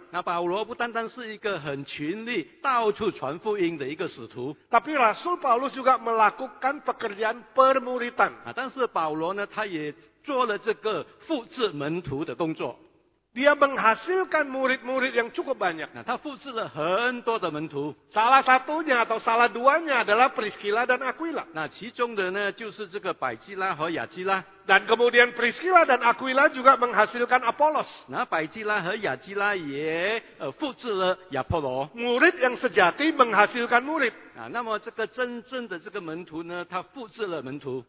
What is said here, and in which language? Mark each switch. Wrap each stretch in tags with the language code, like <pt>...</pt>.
<id>Nah, Paulus bukan hanya seorang yang cinli,</id> <zh>到处传福音的一个使徒.</zh> <id>Tapi Rasul Paulus juga melakukan pekerjaan permuritan.</id> <zh>Nah, 但是保罗呢，他也做了这个复制门徒的工作。</zh> <id>Dia menghasilkan murid-murid yang cukup banyak.</id> <zh>Nah, 他复制了很多的门徒.</zh> <id>Salah satunya atau salah duanya adalah Priscilla dan Aquila.</id> <zh>Nah, 其中的呢就是这个百基拉和亚基拉.</zh> <id>Dan kemudian Priscilla dan Aquila juga menghasilkan Apollos.</id> <zh>Nah, 百基拉和亚基拉也复制了亚波罗.</zh> <id>Murid yang sejati menghasilkan murid.</id> <zh>Nah, 那么这个真正的这个门徒呢，他复制了门徒.</zh>